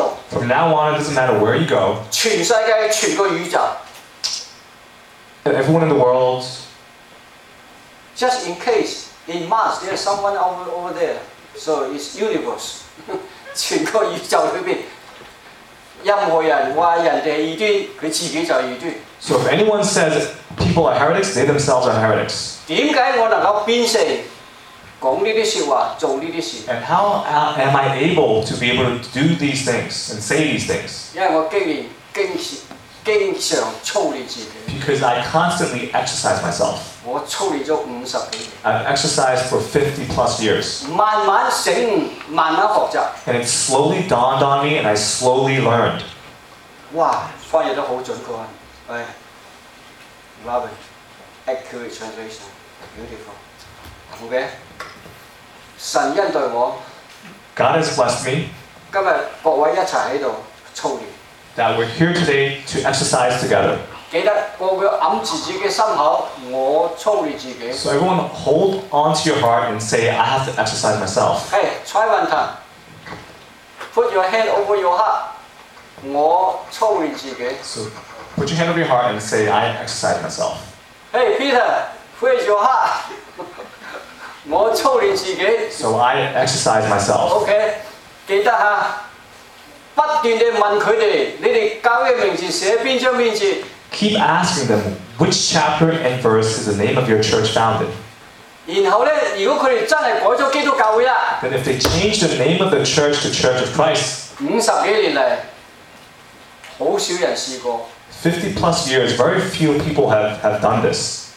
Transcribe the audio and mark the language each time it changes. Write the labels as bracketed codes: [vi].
[en] from now on, it doesn't matter where you go. [zh] 全世界, [en] and everyone in the world. Just in case, in Mars, there's someone over there. So it's universe. [zh] 全個宇宙裡面, 任何人說別人是異端, [en] so if anyone says people are heretics, they themselves are heretics. [zh] 為什麼我能夠變成說這些話, 做這些事? [en] And how am I able to be able to do these things and say these things? [zh] 因為我經常操練自己, [en] because I constantly exercise myself. [zh] 我操練了50多年, [en] I've exercised for 50 plus years. [zh] 慢慢醒悟, 慢慢學習, [en] and it slowly dawned on me and I slowly learned. [zh] 哇, 翻譯得很準確, [en] love it. Accurate translation. Beautiful. Okay. [zh] 神恩待我, [en] God has blessed me. [zh] 今天各位一起在這裡操練, [en] that we're here today to exercise together. [zh] 記得個個掩自己的心口,我操練自己, [en] so everyone hold on to your heart and say, I have to exercise myself. Hey, try one time. Put your hand over your heart. [zh] 我操練自己. [en] So put your hand over your heart and say, I exercise myself. Hey, Peter, where's your heart? [zh] 我操練自己. [en] So I exercise myself. [zh] Okay, 記得啊, 不斷地問他們,你們教的名字寫哪張名字? [en] Keep asking them, which chapter and verse is the name of your church founded? [zh] 然後呢,如果他們真的改了基督教會了, [en] then if they change the name of the church to Church of Christ, [zh] 50多年來, 很少人試過, [en] 50 plus years, very few people have done this.